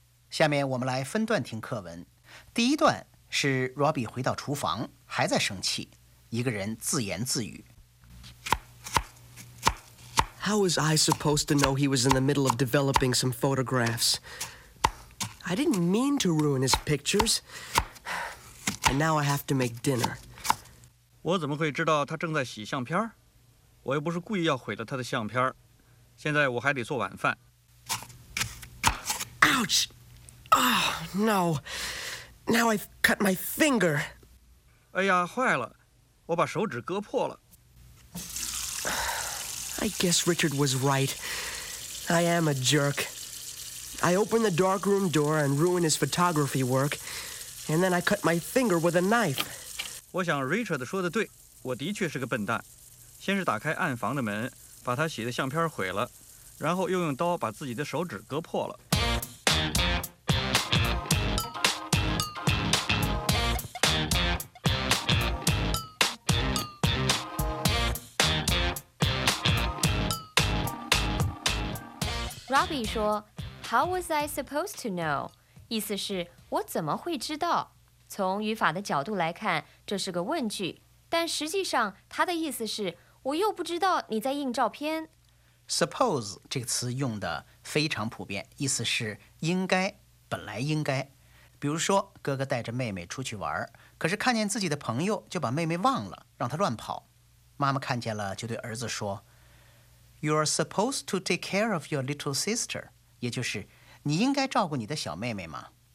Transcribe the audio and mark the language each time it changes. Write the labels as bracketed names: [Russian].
[Chinese] 下面我们来分段听课文。第一段是 Robbie 回到厨房还在生气，一个人自言自语。 [English] How was I supposed to know he was in the middle of developing some photographs? I didn't mean to ruin his pictures. And now I have to make dinner. [Chinese] 我怎么会知道他正在洗相片？我又不是故意要毁了他的相片。现在我还得做晚饭。 [English] Ouch! Oh, no. Now I've cut my finger. [Chinese] 哎呀，坏了，我把手指割破了。 [English] I guess Richard was right. I am a jerk. I opened the darkroom door and ruined his photography work, and then I cut my finger with a knife. [Chinese] 我想 Richard 说的对，我的确是个笨蛋。先是打开暗房的门，把他洗的相片毁了，然后又用刀把自己的手指割破了。 [English] Robbie [Chinese] 说 [English] How was I supposed to know? [Chinese] 意思是我怎么会知道从语法的角度来看这是个问句但实际上它的意思是我又不知道你在印照片 Suppose 这个词用的非常普遍意思是应该本来应该比如说哥哥带着妹妹出去玩可是看见自己的朋友就把妹妹忘了让她乱跑妈妈看见了就对儿子说 [English] You are supposed to take care of your little sister, [Chinese] 也就是你应该照顾你的小妹妹吗